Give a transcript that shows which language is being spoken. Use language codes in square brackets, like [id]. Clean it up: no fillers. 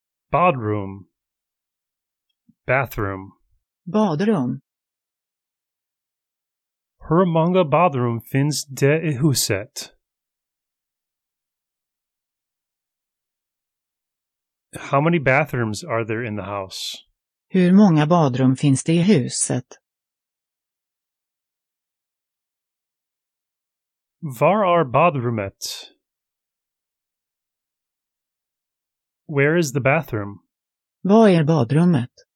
[sv] Badrum. [en] Bathroom. [sv] Badrum. Hur många badrum finns det i huset? [en] How many bathrooms are there in the house? [sv] Hur många badrum finns det i huset? Var är badrummet? [en] Where is the bathroom? [sv] Var är badrummet?